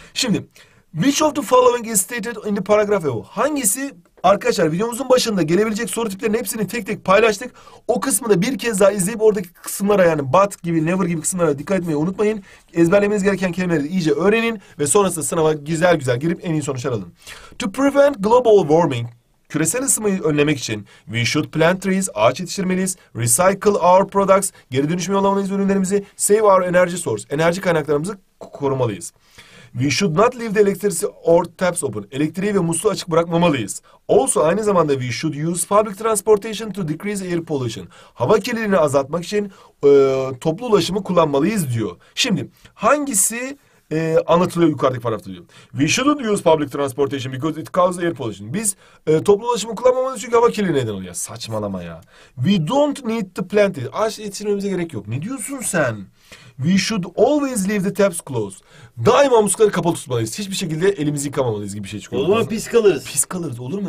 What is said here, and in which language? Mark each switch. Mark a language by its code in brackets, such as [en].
[tr] Şimdi, [en] which of the following is stated in the paragraph above? [tr] Hangisi? Arkadaşlar, videomuzun başında gelebilecek soru tiplerinin hepsini tek tek paylaştık. O kısmı da bir kez daha izleyip oradaki kısımlara, yani but gibi, never gibi kısımlara dikkat etmeyi unutmayın. Ezberlemeniz gereken kelimeleri iyice öğrenin ve sonrasında sınava güzel güzel girip en iyi sonuçlar alın. [en] To prevent global warming, [tr] küresel ısınmayı önlemek için [en] we should plant trees, [tr] ağaç yetiştirmeliyiz. [en] Recycle our products, [tr] geri dönüşüm yollamalıyız ürünlerimizi. [en] Save our energy source, [tr] enerji kaynaklarımızı korumalıyız. [en] We should not leave the electricity or taps open. [tr] Elektriği ve musluğu açık bırakmamalıyız. [en] Also, [tr] aynı zamanda [en] we should use public transportation to decrease air pollution. [tr] Hava kirliliğini azaltmak için toplu ulaşımı kullanmalıyız diyor. Şimdi hangisi anlatılıyor yukarıdaki parafta diyor. [en] We shouldn't use public transportation because it causes air pollution. [tr] Biz toplu ulaşımı kullanmamalıyız çünkü hava kirliliği neden oluyor. Saçmalama ya. [en] We don't need to plant it. [tr] Ağaç yetiştirmemize gerek yok. Ne diyorsun sen? [en] We should always leave the taps closed. [tr] Daima muslukları kapalı tutmalıyız. Hiçbir şekilde elimizi yıkamamalıyız gibi bir şey çıkıyor. Olur mu? Pis kalırız. Pis kalırız. Olur mu?